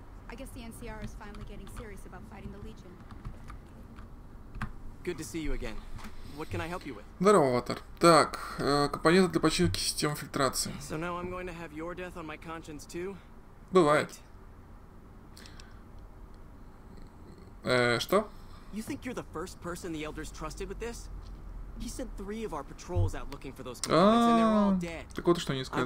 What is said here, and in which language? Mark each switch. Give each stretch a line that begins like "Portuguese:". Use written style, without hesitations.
English: I guess the NCR is finally getting serious about fighting the Legion. Good to see you again. What can I help you with?
Russian: Здорово, Аватар. Так, компоненты для починки системы фильтрации.
English: So now I'm going to have your death on my conscience too?
Russian: Бывает. Что?
English: You think you're the first person the Elders trusted with this? He sent three of our patrols out looking for those components, and they're all dead.
Russian: Так вот, что они сказали.